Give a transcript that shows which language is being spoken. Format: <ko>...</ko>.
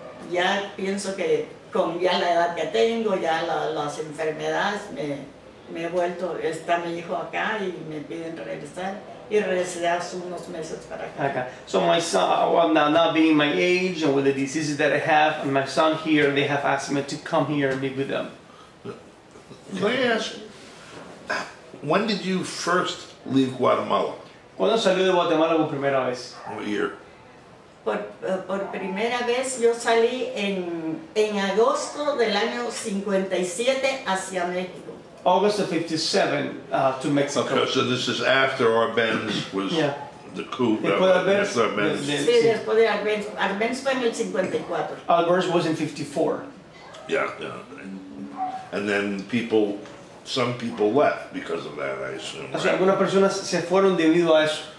<es>Ya pienso que con ya la edad que tengo, ya las enfermedades, me he vuelto, está mi hijo acá y me piden regresar y regresé hace unos meses para acá.</es> <en>Okay. So my son, well, now being my age and with the diseases that I have, and my son here, they have asked me to come here and meet with them. Let me ask, when did you first leave Guatemala?</en> <es>¿Cuándo salió de Guatemala por primera vez?</es> <en>What year?</en> <es>Por primera vez yo salí en agosto del año 57 hacia México.</es> <en>August of 57 to Mexico. Okay, so this is after Arbenz was the coup.</en> <es>Después de Arbenz. Sí, después de Arbenz. Arbenz fue en el 54.</es> <en>Arbenz was in 54. Yeah. And then some people left because of that, I assume.</en> <es>Right? O sea, algunas personas se fueron debido a eso.</es>